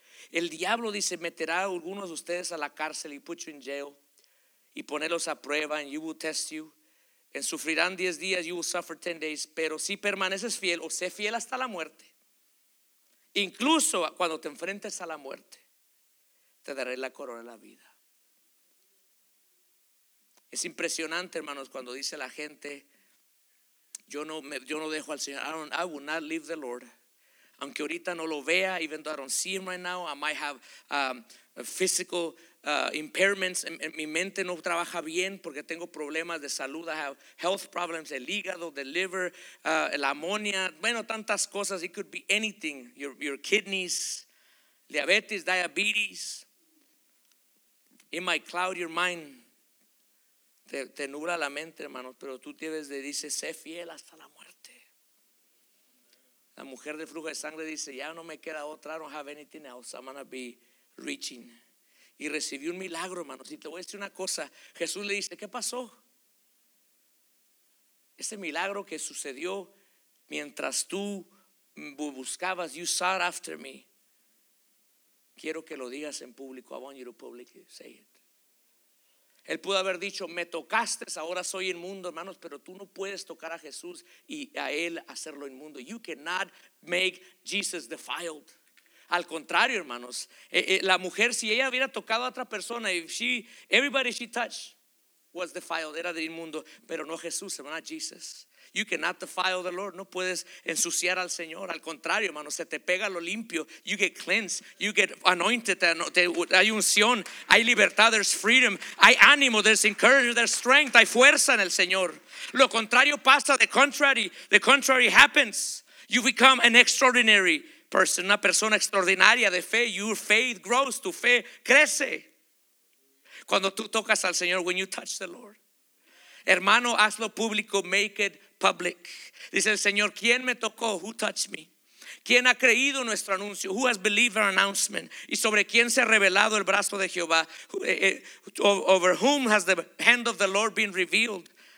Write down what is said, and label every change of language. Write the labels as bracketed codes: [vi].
[es] El diablo dice meterá a algunos de ustedes a la cárcel y [en] put you in jail [es] y ponerlos a prueba [en] and you will test you and [es] sufrirán 10 días, [en] you will suffer 10 days, [es] pero si permaneces fiel o sé fiel hasta la muerte, incluso cuando te enfrentes a la muerte, te daré la corona de la vida. Es impresionante, hermanos, cuando dice la gente yo no dejo al Señor. [en] I will not leave the Lord. [es] Aunque ahorita no lo vea, [en] even though I don't see him right now, I might have physical impairments. [es] Mi mente no trabaja bien porque tengo problemas de salud. [en] I have health problems, [es] el hígado, [en] the liver, [es] la amonía. Bueno, tantas cosas. [en] It could be anything. Your kidneys, diabetes, diabetes. It might cloud your mind. [es] Te nubla la mente, hermano. Pero tú tienes de decir, sé fiel hasta la muerte. La mujer del flujo de sangre dice, ya no me queda otra, [en] I don't have anything else, I'm going to be reaching. [es] Y recibió un milagro, hermanos. Y te voy a decir una cosa, Jesús le dice, ¿qué pasó? Ese milagro que sucedió mientras tú buscabas, [en] you sought after me. [es] Quiero que lo digas en público. [en] I want you to publicly say it. [es] Él pudo haber dicho, me tocaste, ahora soy inmundo, hermanos, pero tú no puedes tocar a Jesús y a Él hacerlo inmundo. [en] You cannot make Jesus defiled. [es] Al contrario, hermanos, la mujer, si ella hubiera tocado a otra persona, [en] if she, everybody she touched was defiled, [es] era de inmundo, pero no Jesús, hermano, Jesus. [en] You cannot defile the Lord. [es] No puedes ensuciar al Señor. Al contrario, hermano, se te pega lo limpio. [en] You get cleansed. You get anointed. [es] Hay unción. Hay libertad. [en] There's freedom. [es] Hay ánimo. [en] There's encouragement. There's strength. [es] Hay fuerza en el Señor. Lo contrario pasa. [en] The contrary happens. You become an extraordinary person. [es] Una persona extraordinaria de fe. [en] Your faith grows. [es] Tu fe crece. Cuando tú tocas al Señor. [en] When you touch the Lord. [es] Hermano, hazlo público. [en] Make it public. [es] Dice el Señor, ¿quién me tocó? [en] Who touched me? [es] ¿Quién ha creído nuestro anuncio? [en] Who has believed our announcement? [es] ¿Y sobre quién se ha revelado el brazo de Jehová? [en] Over whom has the hand of the Lord been revealed?